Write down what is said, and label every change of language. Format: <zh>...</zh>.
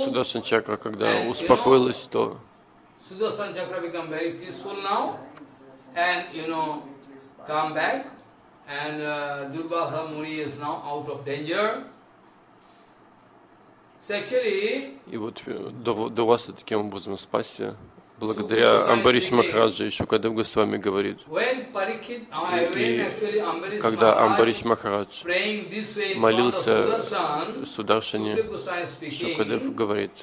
<ru>И Сударшан чакра, когда успокоилась, то.</ru> <en>Сударшан чакра become very peaceful now, and you know, come back, and Durvasa Muni is now out of danger.</en> <ru>И вот Дурваса таким образом спасся. Благодаря Амбариш Махараджа, и Шукадев Госвами говорит, и когда Амбариш Махарадж молился Сударшане, Шукадев говорит:</ru>